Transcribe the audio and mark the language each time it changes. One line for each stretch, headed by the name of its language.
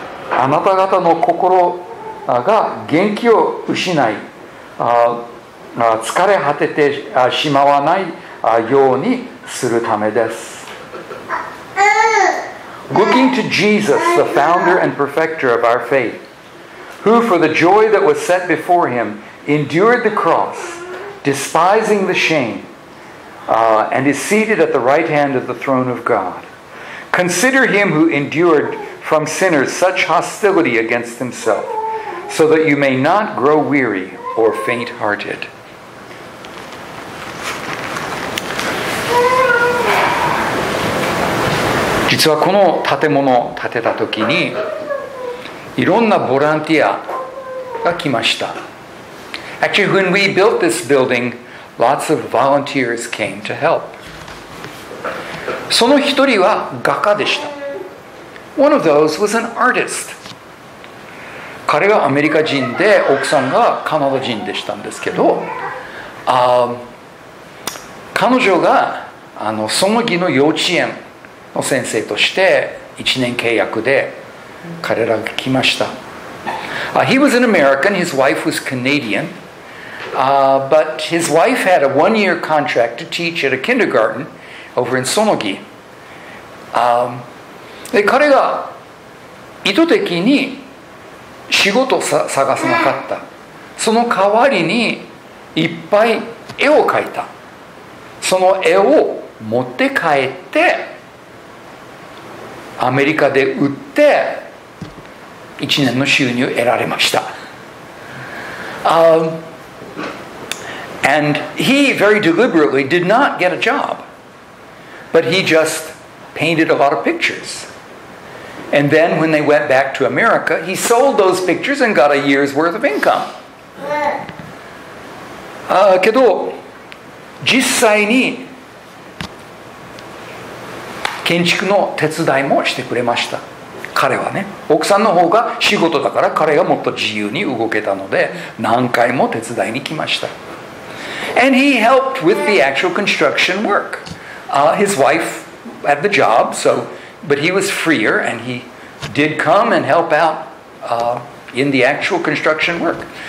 Japanese: あなた方の心が元気を失い疲れ果ててしまわないようにするためです。
English: Looking to Jesus, the founder and perfecter of our faith, who for the joy that was set before him endured the cross, despising the shame, and is seated at the right hand of the throne of God. Consider him who endured from sinners such hostility against himself, so that you may not grow weary or faint-hearted.
Japanese: 実はこの建物を建てた時にいろんなボランティアが来ました。
English: Actually, when we built this building, lots of volunteers came to help.
Japanese: その一人は画家でした。
English: One of those was an artist.
Japanese: 彼はアメリカ人で奥さんがカナダ人でしたんですけど、彼女がその木の幼稚園の先生として1年契約で彼らが来ました。
English: He was an American, his wife was Canadian, but his wife had a one-year contract to teach at a kindergarten over in Sonogi.
Japanese: 彼が意図的に仕事を探さなかった。その代わりにいっぱい絵を描いた。その絵を持って帰ってアメリカで売って一年の収入を得られました。
English: And he very deliberately did not get a job, but he just painted a lot of pictures. And then when they went back to America, he sold those pictures and got a year's worth of income.
Japanese: けど実際に建築の手伝いもしてくれました。彼はね、奥さんの方が仕事だから彼がもっと自由に動けたので何回も手伝いに来ました。
English: And he helped with the actual construction work. His wife had the job, so, but he was freer and he did come and help out in the actual construction work.